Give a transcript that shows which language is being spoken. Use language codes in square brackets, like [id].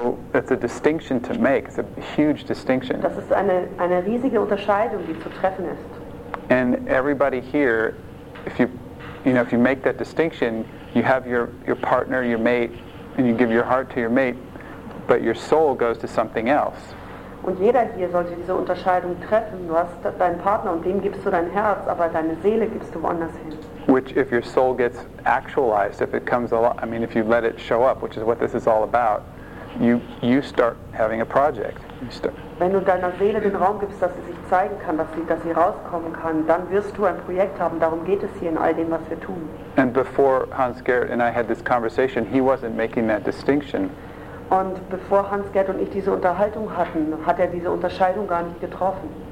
[en] That's a distinction to make. It's a huge distinction. [de] Das ist eine riesige Unterscheidung, die zu treffen ist. [en] And everybody here, if you make that distinction, you have your partner, your mate, and you give your heart to your mate, but your soul goes to something else. [de] Und jeder hier sollte diese Unterscheidung treffen. Du hast deinen Partner und dem gibst du dein Herz, aber deine Seele gibst du woanders hin. [en] Which, if your soul gets actualized, if it comes alive, I mean, if you let it show up, which is what this is all about, you start having a project. [de] Wenn du deiner Seele den Raum gibst, dass sie sich zeigen kann, dass sie rauskommen kann, dann wirst du ein Projekt haben. Darum geht es hier in all dem, was wir tun. [en] And before Hans Gerd and I had this conversation, he wasn't making that distinction. [de] Und bevor Hans Gerd und ich diese Unterhaltung hatten, hat er diese Unterscheidung gar nicht getroffen.